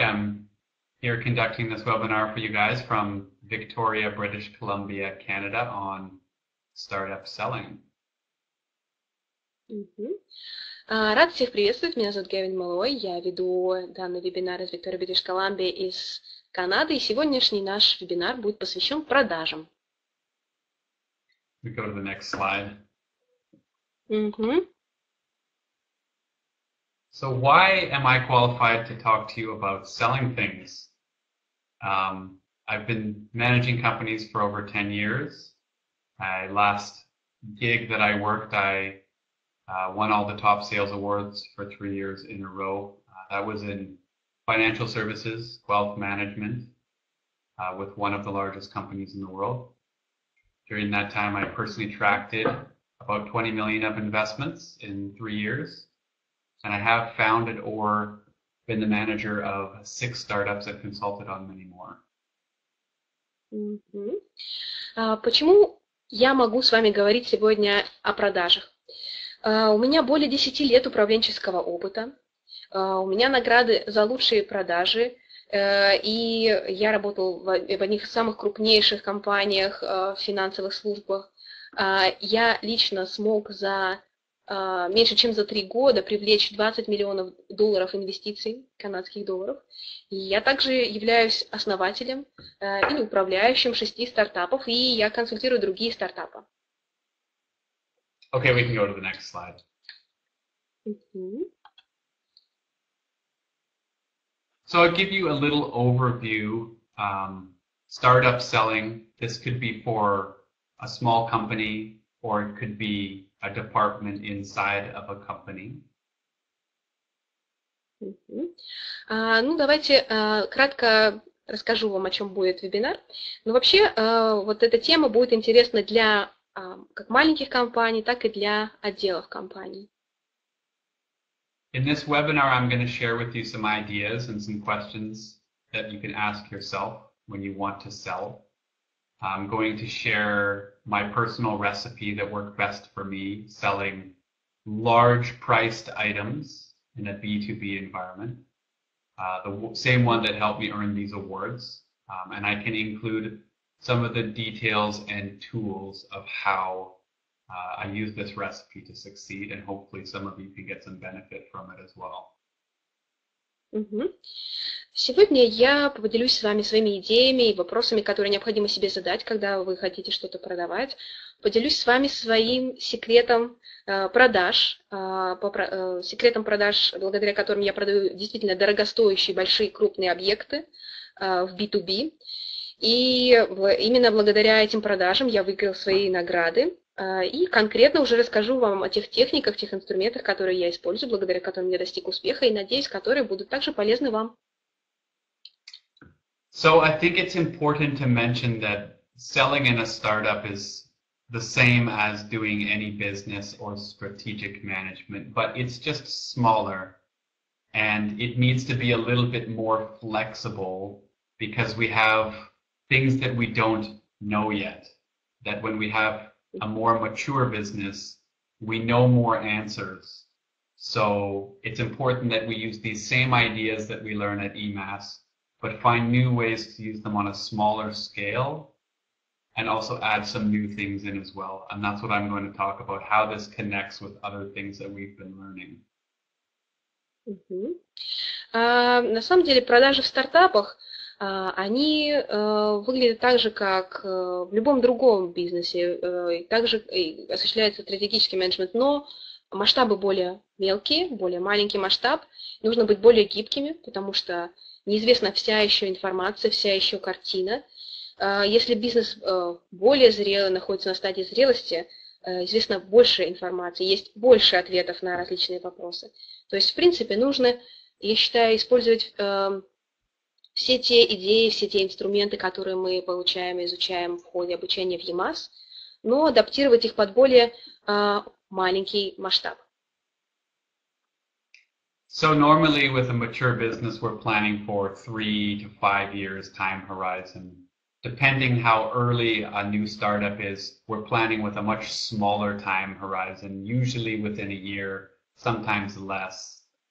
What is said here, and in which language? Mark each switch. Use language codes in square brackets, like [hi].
[en] I'm here conducting this webinar for you guys from Victoria, British Columbia, Canada on startup selling. [ru] Рад всех приветствовать. Меня зовут Гевин Малой. Я веду данный вебинар из Виктории, Бритиш Колумбия, из Канады. И сегодняшний наш вебинар будет посвящен продажам. [en] We go to the next slide. So why am I qualified to talk to you about selling things? I've been managing companies for over 10 years. My last gig that I worked, I won all the top sales awards for 3 years in a row. That was in financial services, wealth management, with one of the largest companies in the world. During that time, I personally attracted about 20 million of investments in 3 years. And I have founded or been the manager of six startups and consulted on many more. [ru] Почему я могу с вами говорить сегодня о продажах? У меня более 10 лет управленческого опыта. У меня награды за лучшие продажи. И я работал в одних из самых крупнейших компаниях, финансовых службах. Я лично смог за меньше чем за 3 года привлечь 20 миллионов долларов инвестиций, канадских долларов. И я также являюсь основателем или управляющим 6 стартапов, и я консультирую другие стартапы. [en] Okay, we can go to the next slide. So I'll give you a little overview. Startup selling, this could be for a small company, or it could be a department inside of a company. [ru] Ну, давайте кратко расскажу вам, о чем будет вебинар. Ну, вообще, вот эта тема будет интересна для как маленьких компаний, так и для отделов компаний. [en] In this webinar, I'm going to share with you some ideas and some questions that you can ask yourself when you want to sell. I'm going to share my personal recipe that worked best for me selling large priced items in a B2B environment. The same one that helped me earn these awards. And I can include some of the details and tools of how I use this recipe to succeed, and hopefully some of you can get some benefit from it as well. [ru] Сегодня я поделюсь с вами своими идеями и вопросами, которые необходимо себе задать, когда вы хотите что-то продавать. Поделюсь с вами своим секретом продаж, секретом продаж, благодаря которым я продаю действительно дорогостоящие большие крупные объекты в B2B. И именно благодаря этим продажам я выиграл свои награды. И конкретно уже расскажу вам о тех техниках, тех инструментах, которые я использую, благодаря которым я достиг успеха, и надеюсь, которые будут также полезны вам. [en] So I think it's important to mention that selling in a startup is the same as doing any business or strategic management, but it's just smaller, and it needs to be a little bit more flexible because we have things that we don't know yet, that when we have a more mature business, we know more answers. So it's important that we use these same ideas that we learn at EMAS, but find new ways to use them on a smaller scale and also add some new things in as well. And that's what I'm going to talk about, how this connects with other things that we've been learning. [ru] На самом деле, продажи в стартапах, они выглядят так же, как в любом другом бизнесе, также осуществляется стратегический менеджмент, но масштабы более мелкие, более маленький масштаб, нужно быть более гибкими, потому что неизвестна вся еще информация, вся еще картина. Если бизнес более зрелый, находится на стадии зрелости, известно больше информации, есть больше ответов на различные вопросы. То есть, в принципе, нужно, я считаю, использовать все те идеи, все те инструменты, которые мы получаем и изучаем в ходе обучения в EMAS, но адаптировать их под более маленький масштаб. [en] So normally with a mature business, we're planning for 3 to 5 years time horizon. Depending how early a new startup is, we're planning with a much smaller time horizon, usually within a year, sometimes less.